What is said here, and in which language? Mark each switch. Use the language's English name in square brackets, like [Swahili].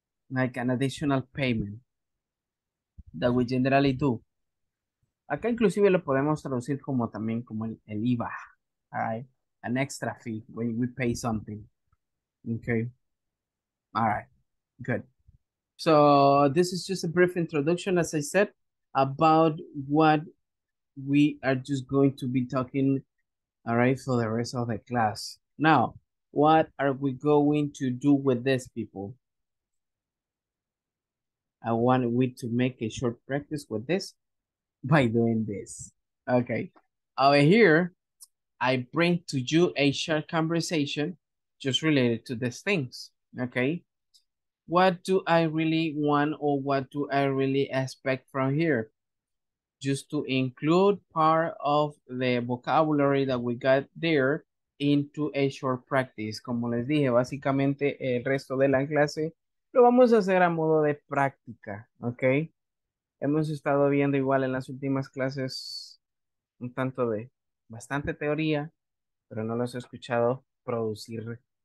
[English] Like an additional payment that we generally do. [Spanish] Acá inclusive lo podemos traducir como también como el IVA. [English] Alright? An extra fee when we pay something. Okay? Alright. Good. So, this is just a brief introduction, as I said, about what we are just going to be talking, all right, for the rest of the class. Now, what are we going to do with this, people? I want we to make a short practice with this by doing this. Okay. Over here, I bring to you a short conversation just related to these things, okay? What do I really want or what do I really expect from here? Just to include part of the vocabulary that we got there into a short practice. [Spanish] Como les dije, básicamente el resto de la clase lo vamos a hacer a modo de práctica, ¿ok? Hemos estado viendo igual en las últimas clases un tanto de bastante teoría, pero no los he escuchado producir.